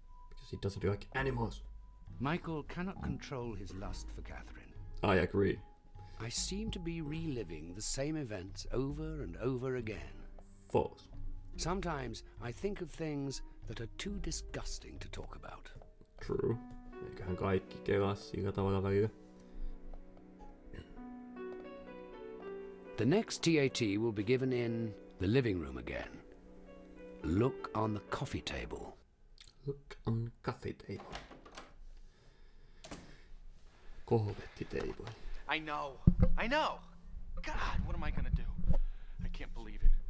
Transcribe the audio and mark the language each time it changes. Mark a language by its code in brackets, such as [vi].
[en] Because he doesn't like animals. Michael cannot control his lust for Catherine. I agree. I seem to be reliving the same events over and over again. False. Sometimes I think of things that are too disgusting to talk about. True. [fi] Eiköhän kaikki kelaa sillä tavalla välillä. [en] The next TAT will be given in the living room again. Look on the coffee table. Look on coffee table. Coffee table. I know. God, what am I gonna do? I can't believe it.